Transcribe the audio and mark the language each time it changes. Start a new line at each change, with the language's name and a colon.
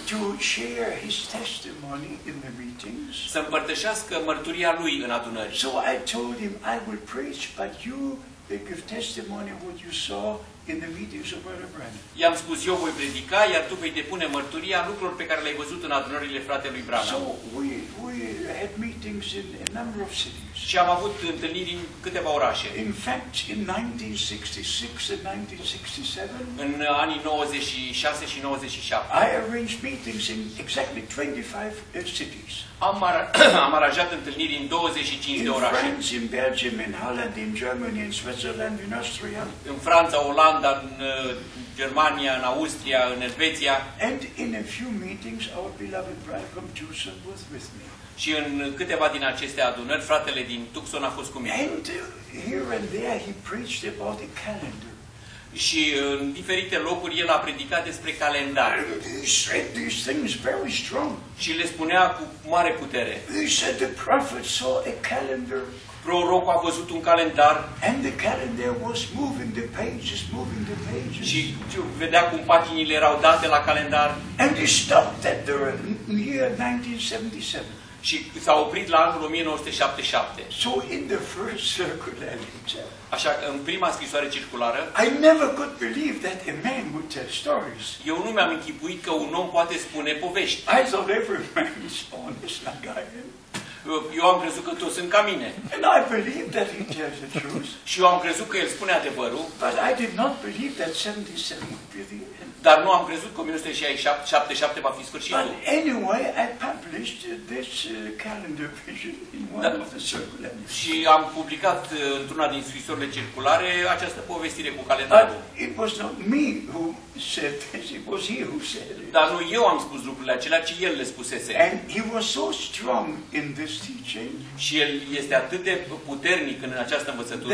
English: to share his testimony in the meetings,
Romanian: să împărtășească mărturia lui în adunări.
English: So I told him I will preach, but you give testimony what you saw in the meetings of Brother Branham.
Romanian: I-am spus, eu voi predica, iar tu vei depune mărturia lucrurilor pe care le-ai văzut în adunările fratelui Branham.
English: So we had meetings in a number of cities.
Romanian: Și am avut întâlniri în câteva orașe.
English: In fact, in 1966 and 1967,
Romanian: în anii 96 și 97,
English: I arranged meetings in exactly 25 cities.
Romanian: Am aranjat întâlniri în 25 de orașe.
English: In France, in Belgium, in Holland, in Germany, in Switzerland, in Austria.
Romanian: În Franța, Olanda, în Germania, în Austria, în Elveția.
English: And in a few meetings, our beloved brother from Tucson was with me.
Romanian: Și în câteva din aceste adunări, fratele din Tucson a fost cu mine.
English: And here and there he preached about the calendar.
Romanian: Și în diferite locuri el a predicat despre calendar.
English: He said these things very strong.
Romanian: Și le spunea cu mare putere.
English: He said the prophet saw a calendar.
Romanian: Prorocul a văzut un calendar.
English: And the calendar was moving, the pages moving, the pages.
Romanian: Și vedea cum paginile erau date la calendar.
English: And he stopped at the year 1977.
Romanian: Și s-a oprit la anul 1977.
English: So in the first circular letter.
Romanian: Așa că în prima scrisoare circulară.
English: I never could believe that a man would tell stories.
Romanian: Eu nu mi-am închipuit că un om poate spune povești.
English: I thought every man is honest like I am.
Romanian: Eu am crezut că toți sunt ca mine.
English: And I believed that he tells the truth.
Romanian: Și eu am crezut că el spune adevărul.
English: But I did not believe that 77 would be the end.
Romanian: Dar nu am crezut că 1977 va fi sfârșitul.
English: But anyway, I published this calendar vision in one of the circulars.
Romanian: Și am publicat într-una din scrisorile circulare această povestire cu calendarul.
English: But it was not me who said this, it was he who said it.
Romanian: Dar nu eu am spus lucrurile acelea, ci el le spusese.
English: And he was so strong in this teaching.
Romanian: Și el este atât de puternic în această învățătură.